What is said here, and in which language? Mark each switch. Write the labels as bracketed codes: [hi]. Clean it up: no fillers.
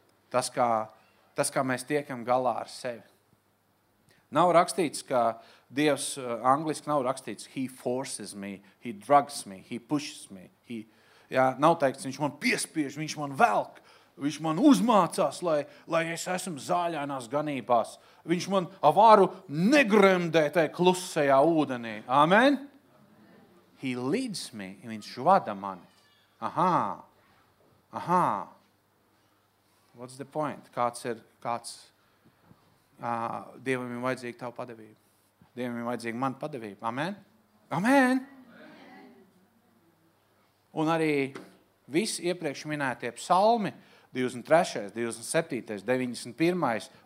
[lv] Tas, kā mēs tiekam galā ar sevi. Nav rakstīts, ka Dievs angliski nav rakstīts [en] he forces me, he drugs me, he pushes me, he... [lv] Jā, nav teikts, viņš man piespiež, viņš man velk, viņš man uzmācās, lai es esmu zāļainās ganībās. Viņš man avāru negremdē tajā klusējā ūdenī. Amen? [en] He leads me, [lv] viņš vada mani. [en] Aha. What's the point? [lv] Dievam ir vajadzīga tava padevība. Dievam ir vajadzīga mana padevība. Amen? Amen? Un arī visi iepriekš minētie psalmi, 23., 27., 91.